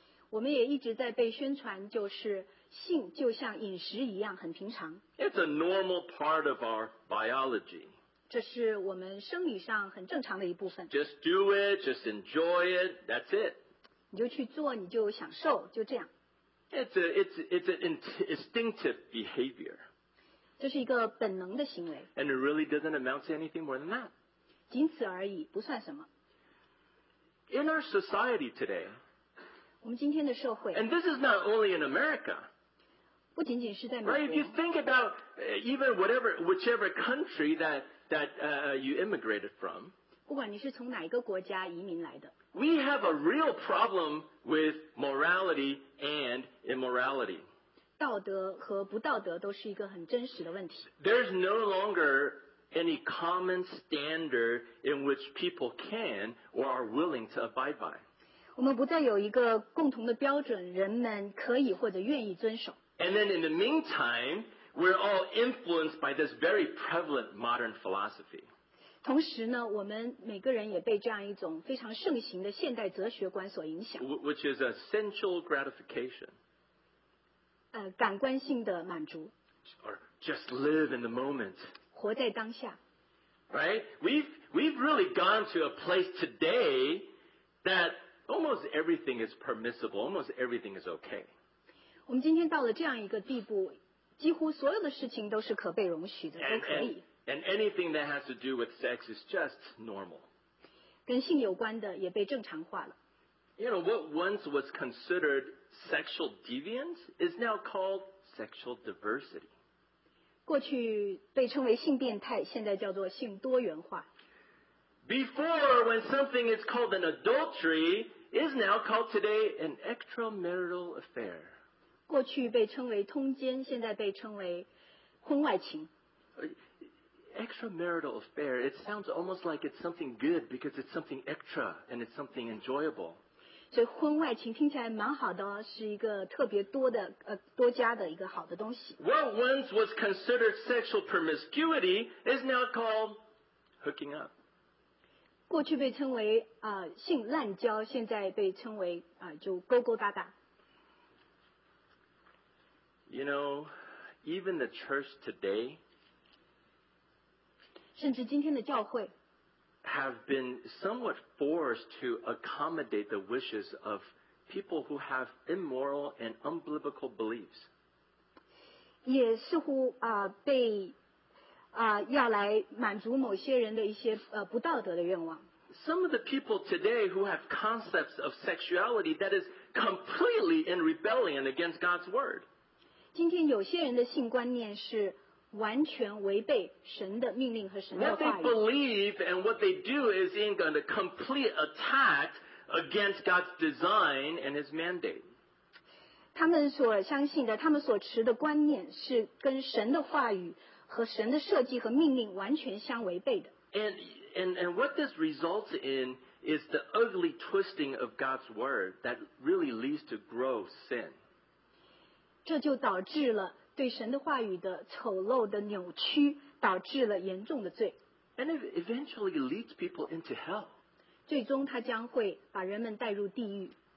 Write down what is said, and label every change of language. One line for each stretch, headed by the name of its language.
Chinese: 我们也一直在被宣传，就是性就像饮食一样很平常。
English: It's a normal part of our biology.
Chinese: 这是我们生理上很正常的一部分。
English: Just do it, just enjoy it, that's it.
Chinese: 你就去做，你就享受，就这样。
English: It's an instinctive behavior.
Chinese: 这是一个本能的行为。
English: And it really doesn't amount to anything more than that.
Chinese: 仅此而已，不算什么。
English: In our society today,
Chinese: 我们今天的社会
English: ，and this is not only in America.
Chinese: 不仅仅是在美国。
English: Right, if you think about even whichever country that you immigrated from,
Chinese: 不管你是从哪一个国家移民来的
English: ，we have a real problem with morality and immorality.
Chinese: 道德和不道德都是一个很真实的问题。
English: There's no longer any common standard in which people can or are willing to abide by.
Chinese: 我们不再有一个共同的标准，人们可以或者愿意遵守。
English: And then in the meantime, we're all influenced by this very prevalent modern philosophy.
Chinese: 同时呢，我们每个人也被这样一种非常盛行的现代哲学观所影响。
English: Which is a sensual gratification.
Chinese: 感官性的满足。
English: Or just live in the moment.
Chinese: 活在当下。
English: Right? We've really gone to a place today that almost everything is permissible, almost everything is okay.
Chinese: 我们今天到了这样一个地步，几乎所有的事情都是可被容许的，都可以。
English: And anything that has to do with sex is just normal.
Chinese: 跟性有关的也被正常化了。
English: You know, what once was considered sexual deviance is now called sexual diversity.
Chinese: 过去被称为性变态，现在叫做性多元化。
English: Before, when something is called an adultery, is now called today an extramarital affair.
Chinese: 过去被称为通奸，现在被称为婚外情。
English: Extramarital affair, it sounds almost like it's something good because it's something extra and it's something enjoyable.
Chinese: 所以婚外情听起来蛮好的，是一个特别多的多加的一个好的东西。
English: What once was considered sexual promiscuity is now called hooking up.
Chinese: 过去被称为性滥交，现在被称为就勾勾搭搭。
English: You know, even the church today.
Chinese: 甚至今天的教会
English: have been somewhat forced to accommodate the wishes of people who have immoral and unbiblical beliefs.
Chinese: 也似乎被要来满足某些人的一些不道德的愿望。
English: Some of the people today who have concepts of sexuality that is completely in rebellion against God's word.
Chinese: 今天有些人的性观念是完全违背神的命令和神的话语。
English: What they believe and what they do is in a complete attack against God's design and His mandate.
Chinese: 他们所相信的，他们所持的观念是跟神的话语和神的设计和命令完全相违背的。
English: And what this results in is the ugly twisting of God's word that really leads to gross sin.
Chinese: 这就导致了对神的话语的丑陋的扭曲，导致了严重的罪。
English: And it eventually leads people into hell.
Chinese: 最终他将会把人们带入地狱。